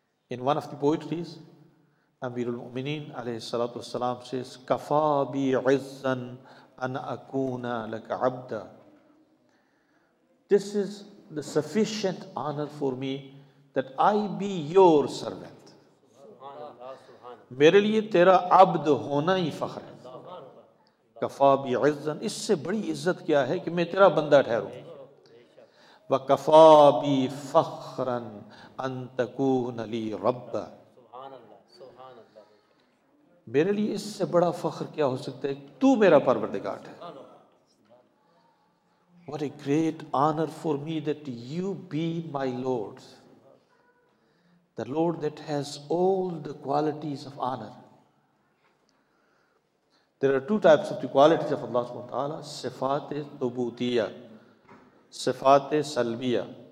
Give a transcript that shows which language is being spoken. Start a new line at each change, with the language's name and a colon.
English: In one of the poetries, Amirul Mu'mineen alayhi salatu wasalam says,
Arabic: Kafa bi izzan an akuna laka abda.
English: This is the sufficient honor for me that I be your servant.
Urdu: میرے لیے تیرا عبد ہونا ہی فخر ہے.
Arabic: کفا بی عزن,
Urdu: اس سے بڑی عزت کیا ہے کہ میں تیرا بندہ ٹھہروں.
Arabic: وکفا بی فخرن ان تکون لی رب.
Urdu: میرے لیے اس سے بڑا فخر کیا ہو سکتا ہے, تو میرا پروردگار ہے.
English: What a great honor for me that you be my Lord. The Lord that has all the qualities of honor. There are two types of the qualities of Allah subhanahu wa ta'ala. Sifat-e thubutiyya, sifat-e salbiyya.